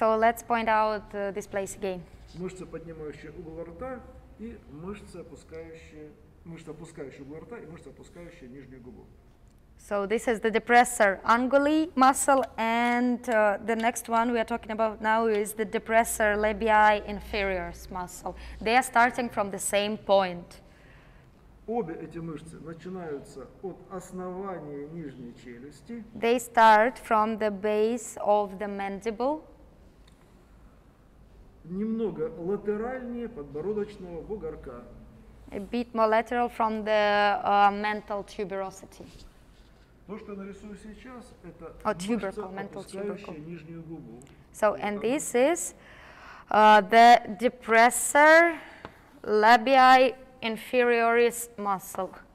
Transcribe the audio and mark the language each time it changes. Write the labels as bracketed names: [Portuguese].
[English] So let's point out this place again. [Russian] Мышцы, поднимающие угол рта, и мышцы опускающие угол рта и мышцы, опускающие нижнюю губу. [English] So this is the depressor unguli muscle, and the next one we are talking about now is the depressor labii inferioris muscle. They are starting from the same point. [Russian] Обе эти мышцы начинаются от основания нижней челюсти. [English] They start from the base of the mandible. [Russian] Немного латеральнее подбородочного бугорка. [English] A bit more lateral from the mental tuberosity. [Russian] То, что я нарисую сейчас, это мышца, опускающая нижнюю губу. [English] So, and this is the depressor labii inferioris muscle.